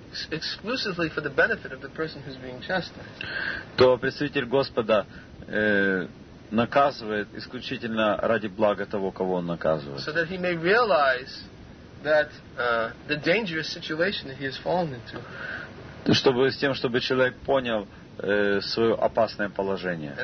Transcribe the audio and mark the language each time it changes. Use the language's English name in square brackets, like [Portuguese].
[English] Exclusively for the benefit of the person who's being chastised. [Russian] То представитель Господа наказывает исключительно ради блага того, кого он наказывает. [English] So that he may realize that the dangerous situation that he has fallen into. [Russian] Чтобы с тем, чтобы человек понял свое опасное положение.